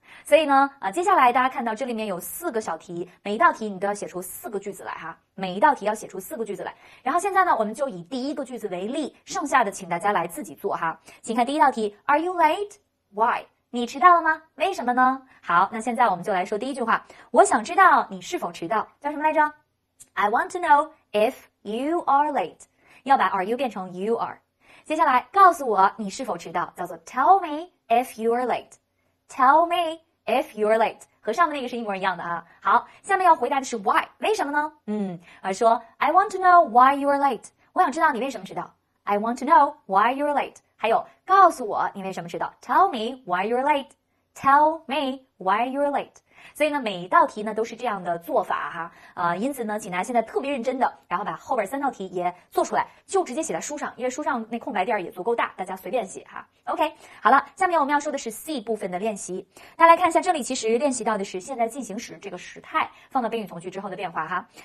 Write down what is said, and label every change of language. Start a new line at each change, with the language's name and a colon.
Chinese: 所以呢接下来大家看到这里面有四个小题，每一道题你都要写出四个句子来哈，每一道题要写出四个句子来。然后现在呢我们就以第一个句子为例，剩下的请大家来自己做哈。请看第一道题
English: Are you late? Why?
Chinese: 你迟到了吗？为什么呢？好，那现在我们就来说第一句话，我想知道你是否迟到，叫什么来着？
English: I want to know if you are late,
Chinese: 要把
English: are you
Chinese: 变成
English: you are。
Chinese: 接下来告诉我你是否迟到，叫做
English: Tell me if you are late, Tell me if you are late,
Chinese: 和上面那个是一模一样的啊。好，下面要回答的是 why, 为什么呢？
English: 说 I want to know why you are late,
Chinese: 我想知道你为什么迟到。
English: I want to know why you are late,
Chinese: 还有告诉我你为什么迟到。
English: Tell me why you are late, Tell me why you are late。
Chinese: 所以呢每一道题呢都是这样的做法哈，因此呢请大家现在特别认真的然后把后边三道题也做出来，就直接写在书上，因为书上那空白地儿也足够大，大家随便写哈。 OK, 好了，下面我们要说的是 C 部分的练习，大家来看一下，这里其实练习到的是现在进行时这个时态放到宾语从句之后的变化哈。